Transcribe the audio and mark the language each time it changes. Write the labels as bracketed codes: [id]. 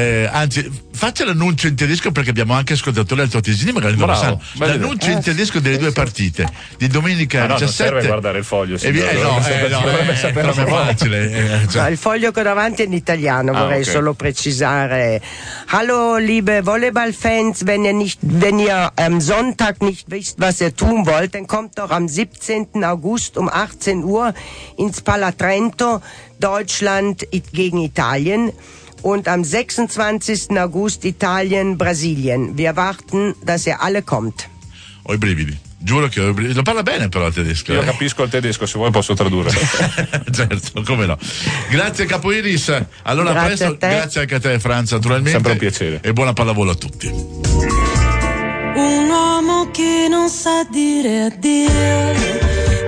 [it] Anzi, faccia l'annuncio in tedesco, perché abbiamo anche ascoltato le altre tesi, magari non lo sanno. L'annuncio in tedesco delle due partite di domenica. Ma no, 17. Non serve guardare il foglio, signora. No, è facile. Il foglio che ho davanti è in italiano, vorrei solo precisare. [de] Hallo liebe Volleyballfans, wenn ihr am Sonntag nicht wisst, was ihr tun wollt, dann kommt doch am 17. August um 18 Uhr ins Pala Trento, Deutschland gegen Italien. Und am 26. August Italien, Brasilien. Wir erwarten, dass ihr alle kommt. [it] Ho i brividi. Giuro che ho i brividi. Lo parla bene però il tedesco. Io capisco il tedesco, se vuoi posso tradurre. Certo, come no. Grazie Capo Iris. Allora, grazie presto. A te. Grazie anche a te, Franza, naturalmente. Sempre un piacere. E buona pallavolo a tutti. Un uomo che non sa dire addio.